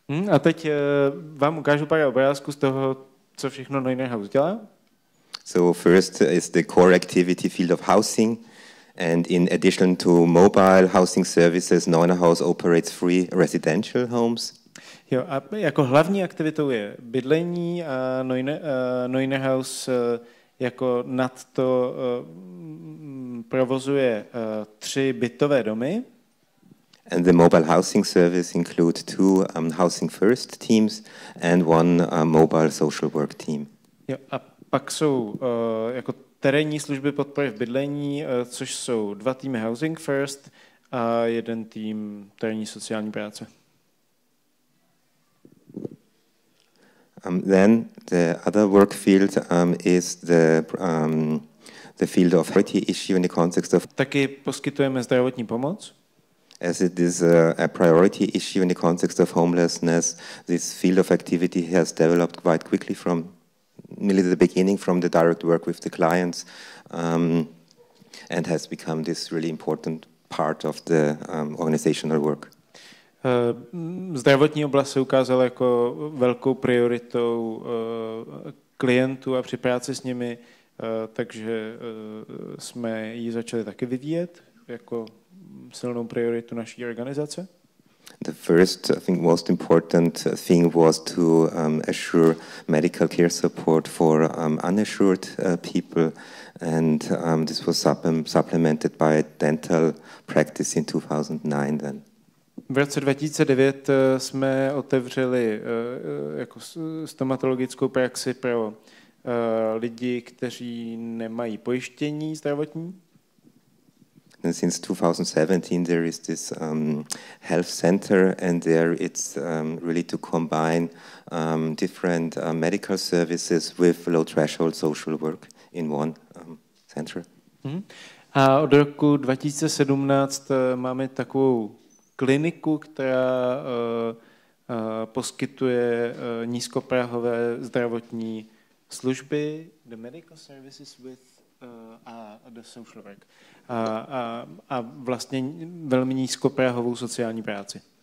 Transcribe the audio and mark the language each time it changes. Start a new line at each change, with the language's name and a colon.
Czech: A teď vám ukážu pár obrázků z toho, co všechno Neunerhaus dělá.
English: So first is the core activity field of housing, and in addition to mobile housing services, Neunerhaus operates free residential homes.
Czech: Jo, a jako hlavní aktivitou je bydlení a Neunerhaus jako nad to provozuje tři bytové domy.
English: And the mobile housing service includes two housing first teams and one mobile social work team.
Czech: Jo, a pak jsou jako terénní služby podpory v bydlení, což jsou dva týmy housing first a jeden tým terénní sociální práce.
English: Then the other work field is the field of priority issue in the context of.
Czech: Taky poskytujeme zdravotní pomoc.
English: As it is a priority issue in the context of homelessness, this field of activity has developed quite quickly from nearly the beginning, from the direct work with the clients, and has become this really important part of the organizational work.
Czech: Zdravotní oblast se ukázala jako velkou prioritou klientů a při práci s nimi, takže jsme ji začali taky vyvíjet jako silnou prioritu naší organizace.
English: The first, I think, most important thing was to assure medical care support for uninsured people, and this was supplemented by a dental practice in 2009 then.
Czech: V roce 2009 jsme otevřeli jako stomatologickou praxi pro lidi, kteří nemají pojištění zdravotní.
English: And since 2017 there is this health center, and there it's really to combine different medical services with low threshold social work in one center. Mm-hmm.
Czech: A od roku 2017 máme takovou kliniku, která poskytuje nízkopráhové zdravotní služby.
English: The medical services with the social work.
Czech: A vlastně velmi nízkopráhovou sociální práci.